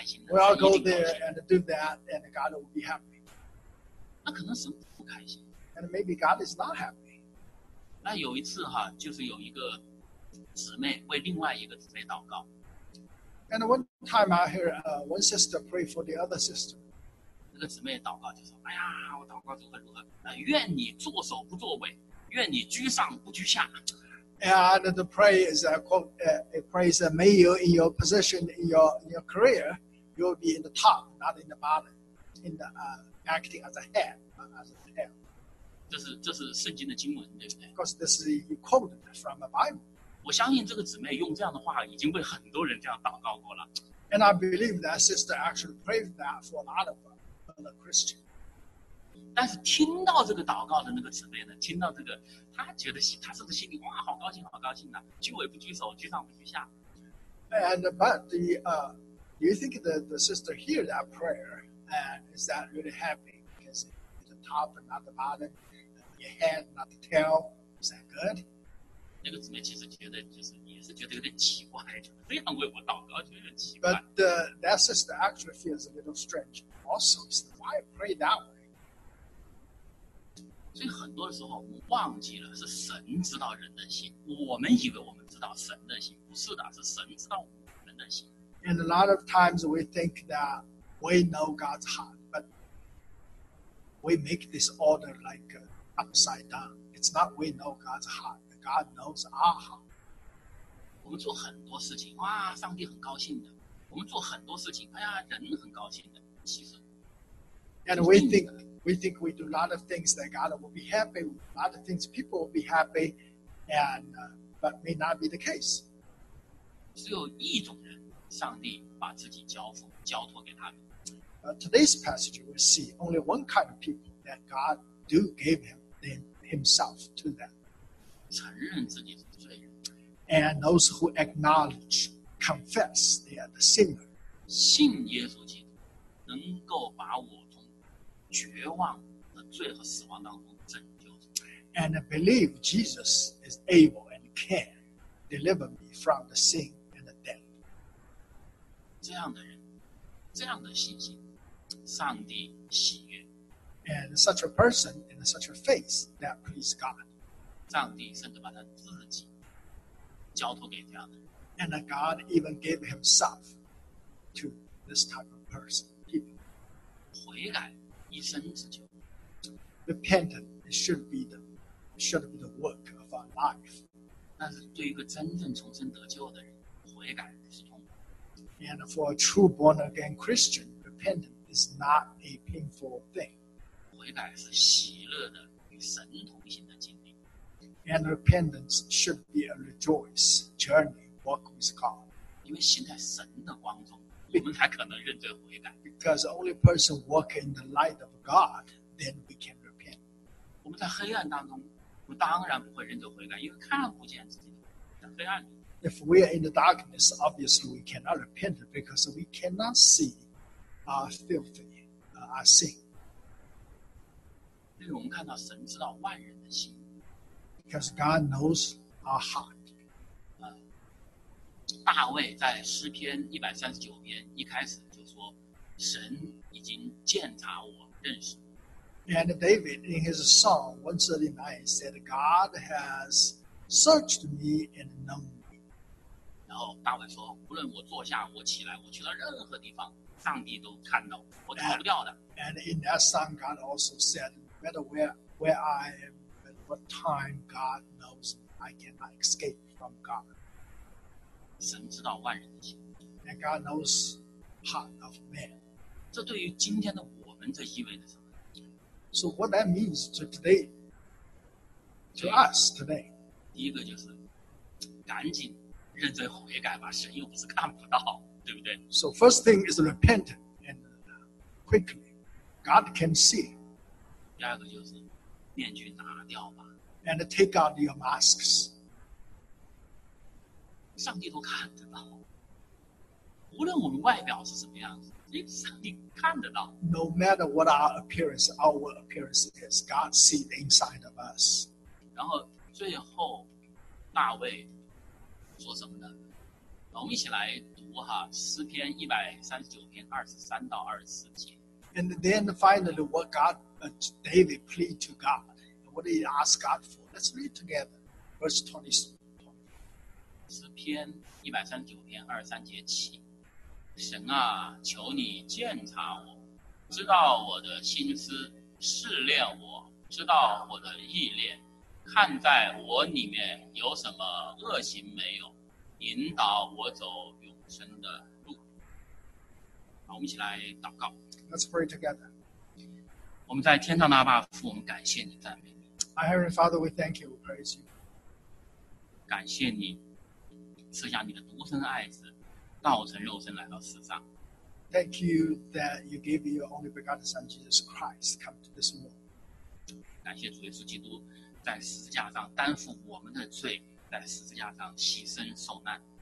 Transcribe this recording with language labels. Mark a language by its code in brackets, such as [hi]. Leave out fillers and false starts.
[en] We'll go there and do that and God will be happy. And maybe God is not happy. [zh] 那有一次哈，就是有一个姊妹为另外一个姊妹祷告。 [en] And one time I heard one sister pray for the other sister. [zh] 这个姊妹祷告就说：“哎呀，我祷告如何如何？愿你作首不作尾，愿你居上不居下。” [en] And the prayer is a quote. A prayer is, "May you in your position in your career, you'll be in the top, not in the bottom, in the acting as a head, not as a tail." [zh] 这是圣经的经文，对不对 [en] ？Because this is you quoted from a Bible. [zh] 我相信这个姊妹用这样的话已经被很多人这样祷告过了。 [en] And I believe that sister actually prayed that for a lot of. Christian. [zh] 但是听到这个祷告的那个姊妹呢，听到这个，她觉得她是不是心里哇，好高兴，好高兴呢、啊？居尾不居首，居上不居下。 [en] And but the you think the sister hear that prayer and is that really happy? Because it's the top and not the bottom, your head not the tail, is that good? [zh] 那个姊妹其实觉得就是也是觉得有点奇怪，这样为我祷告觉得奇怪。 [en] But that sister actually feels a little strange. Also, it's why I pray that way. [zh] 所以很多的时候，我们忘记了是神知道人的心。我们以为我们知道神的心，不是的，是神知道我们的心。 [en] And a lot of times we think that we know God's heart, but we make this order like upside down. It's not we know God's heart; God knows our heart. [zh] 我们做很多事情，哇，上帝很高兴的。我们做很多事情，哎呀，人很高兴的。 [en] And we think we do a lot of things that God will be happy, a lot of things people will be happy, and but may not be the case. [zh] 只有一种人，上帝把自己交托给他们。 [en] Today's passage we see only one kind of people that God do gave himself to them. [zh] 承认自己是罪人。 [en] And those who acknowledge, confess, they are the sinner. [zh] 信耶稣基督。能够把我从绝望的罪和死亡当中拯救。 [en] And I believe Jesus is able and can deliver me from the sin and the death. [zh] 这样的人，这样的信心，上帝喜悦。 [en] And such a person and such a faith that pleases God. [zh] 上帝甚至把他自己交托给这样的人。 [en] And God even gave himself to this type of person. [zh] 悔改一生之久 [en] Repentance should be the work of our life. [zh] 但是对一个真正重生得救的人，悔改是痛苦。 [en] And for a true born again Christian, repentance is not a painful thing. [zh] 悔改是喜乐的与神同行的经历。 [en] And repentance should be a rejoice journey, walk with God. [zh] 因为行在神的光中。我们才可能认罪悔改。 [en] Because only person walk in the light of God, then we can repent. [zh] 我们在黑暗当中，我当然不会认罪悔改，因为看不见自己在黑暗里。 [en] If we are in the darkness, obviously we cannot repent because we cannot see our filthy, our sin. [zh] 因为我们看到神知道万人的心。 [en] Because God knows our heart. [zh] 大卫在诗篇139篇一开始就说，神已经鉴察我，认识。 [en] And David in his Psalm 139 said, God has searched me and known me. [zh] 然后大卫说，无论我坐下，我起来，我去到任何地方，上帝都看到我，逃不掉的。 [en] And in that Psalm, God also said, no matter where I am, at what time, God knows me, I cannot escape from God. [zh] 神知道万人的心。 [en] And God knows heart of man. [zh] 这对于今天的我们，这意味着什么？ [en] So what that means to today, to us today. [zh] 第一个就是赶紧认罪悔改吧，神又不是看不到，对不对？ [en] So first thing is repent and quickly. God can see. [zh] 第二个就是面具拿掉吧。 [en] And take out your masks. [zh] 上帝都看得到。无论我们外表是什么样子。 [en] No matter what our appearance is, God sees the inside of us. [zh] 然后最后大卫说什么呢？我们一起来读哈，诗篇139篇23到24节。 [en] And then finally what God, David plead to God, what he asked God for, let's read together, verse 23. [zh] 诗篇139篇23节起。神啊，求你鉴察我，知道我的心思，试炼我，知道我的意念，看在我里面有什么恶行没有，引导我走永生的路。好，我们一起来祷告。 [en] Let's pray together. [zh] 我们在天上的阿爸父，我们感谢你，赞美你。 [en] Our Heavenly Father, we thank you, we praise you. [zh] 感谢你赐下你的独生爱子。道成肉身来到世上。 [en] Thank you that you gave your only begotten Son Jesus Christ come to this world. [zh] 感谢主耶稣基督在十字架上担负我们的罪，在十字架上牺牲受难。